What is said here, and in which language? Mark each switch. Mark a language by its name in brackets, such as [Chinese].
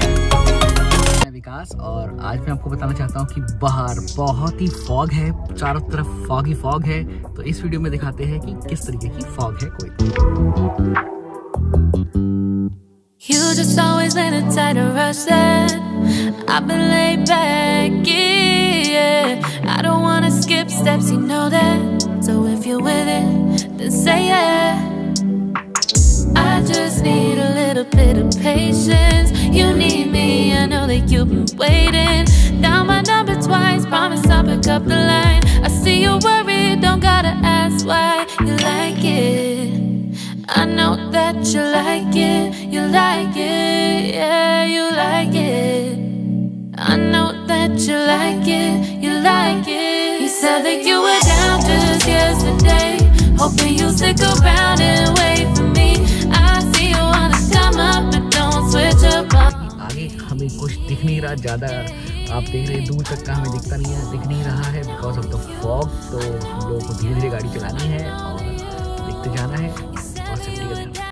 [Hindi] आज मैं आपको बताना चाहता हूँ कि बाहर बहुत ही फॉग है, चारों तरफ फॉग ही फॉग है। तो इस वीडियो में दिखाते हैं कि किस तरीके की फॉग है कोई। [English] You just always been a tighter rusted. I've been laid back, yeah. I don't wanna skip steps, you know that. So if you're with it, then say yeah. I just need a little bit of patience. You need me, I know that you've been waiting. Down my number twice, promise I'll pick up the line. I see you're worried, don't gotta ask why. You like it, I know that you like it, you like it, yeah, you like it. I know that you like it, you like it. You said that you were down just yesterday, hoping you'd stick around and wait for me. I see you wanna come up and don't switch up on me. [Hindi] आगे हमें कुछ दिख नहीं रहा ज़्यादा। आप देख रहे हैं दूर तक का हमें दिखता नहीं है, दिख नहीं रहा है [English] because of the fog। [Hindi] तो लोगों को धीरे-धीरे गाड़ी चलानी है और देखते जाना है।